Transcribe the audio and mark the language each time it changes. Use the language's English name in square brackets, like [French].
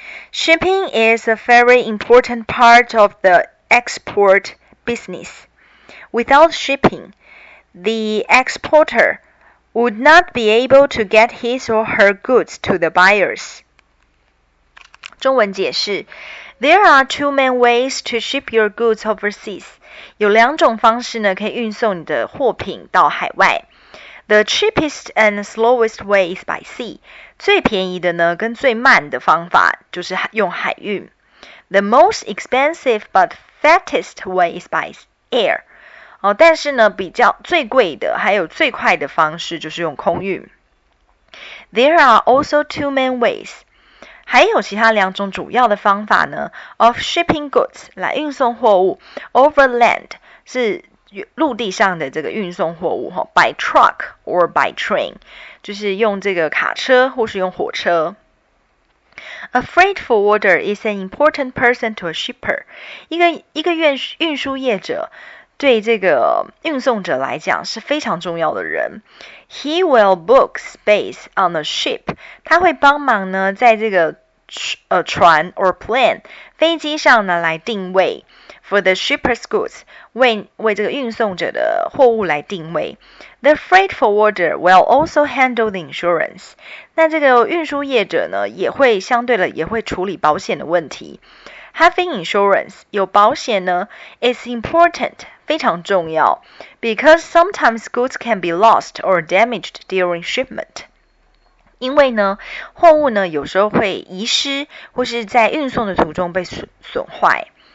[English] Shipping is a very important part of the export business. Without shipping, the exporter would not be able to get his or her goods to the buyers. [Chinese] 中文解释 [English] There are two main ways to ship your goods overseas. [Chinese] 有两种方式呢可以运送你的货品到海外。 [English] The cheapest and slowest way is by sea. [Chinese] 最便宜的呢跟最慢的方法就是用海运。 [English] The most expensive but fastest way is by air. [Chinese] 哦，但是呢，比较最贵的，还有最快的方式就是用空运。 [English] There are also two main ways. [Chinese] 还有其他两种主要的方法呢 ， [English] of shipping goods [Chinese] 来运送货物 ， [English] over land [Chinese] 是陆地上的这个运送货物哈 ， [English] by truck or by train [Chinese] 就是用这个卡车或是用火车。 [English] A freight forwarder is an important person to a shipper. [Chinese] 一个运输业者对这个运送者来讲是非常重要的人。 [English] He will book space on the ship. [Chinese] 他会帮忙呢在这个船 [English] or plane [Chinese] 飞机上呢来定位 [English] for the shipper's goods [Chinese] 为这个运送者的货物来定位。 [English] The freight forwarder will also handle the insurance. [Chinese] 那这个运输业者呢也会相对的也会处理保险的问题。 [English] Having insurance [Chinese] 有保险呢 [English] is important [Chinese] 非常重要 [English] because sometimes goods can be lost or damaged during shipment. [Chinese] 因为呢，货物呢有时候会遗失，或是在运送的途中被损坏。